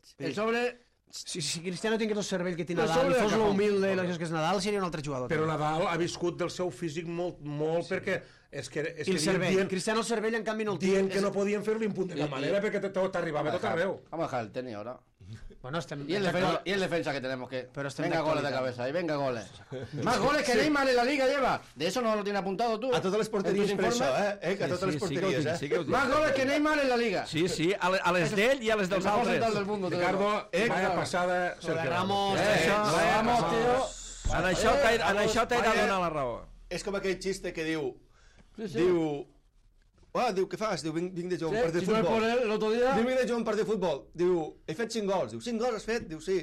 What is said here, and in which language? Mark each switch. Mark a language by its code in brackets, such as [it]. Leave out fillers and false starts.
[ca] I sobre... Si Cristiano tingués el cervell que té Nadal i fos l'humilde i l'això que és Nadal, seria un altre jugador. Però Nadal ha viscut del seu físic molt, molt, perquè... I el cervell. Cristiano el cervell, en canvi, no el tinc. Dient que no podien fer-li en punt de la manera, perquè tot arribava tot arreu. Vam bajar el tenis, ara. Bueno, estem... [es] I el defensa que tenemos, que... Venga, goles de cabeza, y venga, goles. Más goles que Neymar en la Liga lleva. De eso no lo tienes apuntado tú. [ca] A totes les porteries, per això, eh? A totes les porteries, eh? [es] Más goles que Neymar en la Liga. [ca] Sí, sí, a les d'ell i a les dels altres. [es] Ricardo, vaya pasada, Sergio Ramos. Ramos, tío. [ca] En això t'he de donar la raó. És com aquell xiste que diu... Diu, què fas? Diu, vinc de jugar un partit de futbol. Diu, vinc de jugar un partit de futbol. Diu, he fet 5 gols. Diu, 5 gols has fet? Diu, sí.